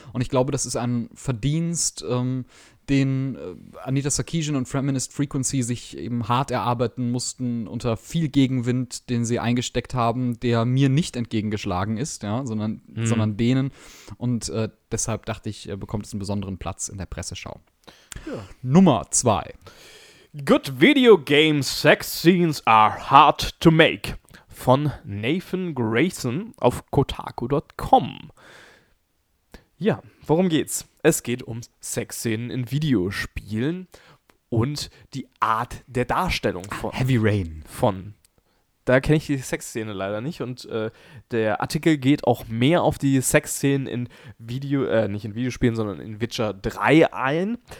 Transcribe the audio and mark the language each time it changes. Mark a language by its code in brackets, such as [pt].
[de] Und ich glaube, das ist ein Verdienst, den Anita Sarkeesian und Feminist Frequency sich eben hart erarbeiten mussten unter viel Gegenwind, den sie eingesteckt haben, der mir nicht entgegengeschlagen ist, ja, sondern denen. Und deshalb dachte ich, bekommt es einen besonderen Platz in der Presseschau. Ja. Nummer 2. [en] Good video game sex scenes are hard to make. [de] Von Nathan Grayson auf Kotaku.com. Ja, worum geht's? Es geht um Sexszenen in Videospielen und die Art der Darstellung von Heavy Rain. Da kenne ich die Sexszene leider nicht und der Artikel geht auch mehr auf die Sexszenen in nicht in Videospielen, sondern in Witcher 3 ein.